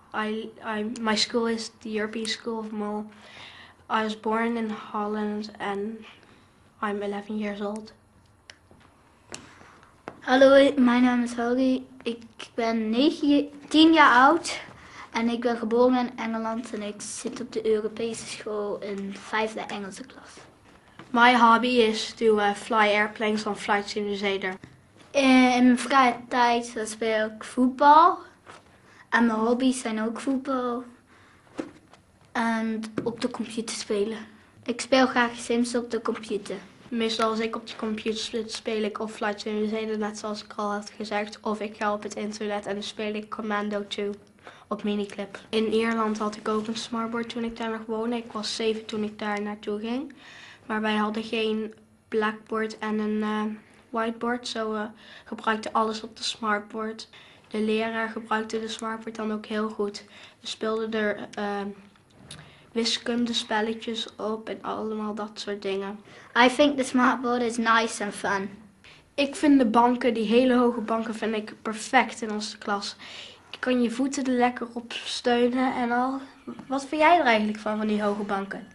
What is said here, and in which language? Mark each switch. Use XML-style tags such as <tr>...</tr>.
<en>I'm my school is the European School of Mull. I was born in Holland and I'm 11 years old.</en> <nl>Hallo, mijn naam is Holly. Ik ben 10 jaar oud en ik ben geboren in Engeland en ik zit op de Europese school in 5e Engelse klas.</nl> <en>My hobby is to fly airplanes on Flight Simulator.</en> <nl>In mijn vrije tijd speel ik voetbal. En mijn hobby's zijn ook voetbal. En op de computer spelen. Ik speel graag Sims op de computer. Meestal als ik op de computer speel, speel ik of Flight Simulator, net zoals ik al had gezegd. Of ik ga op het internet en dan speel ik Commando 2 op miniclip. In Ierland had ik ook een smartboard toen ik daar nog woonde. Ik was 7 toen ik daar naartoe ging. Maar wij hadden geen blackboard en een whiteboard, zo gebruikte alles op de smartboard. De leraar gebruikte de smartboard dan ook heel goed. We speelden er wiskundespelletjes op en allemaal dat soort dingen.</nl> <en>I think the smartboard is nice and fun.</en> <nl>Ik vind de banken, die hele hoge banken, vind ik perfect in onze klas. Je kan je voeten er lekker op steunen en al. Wat vind jij er eigenlijk van die hoge banken?</nl>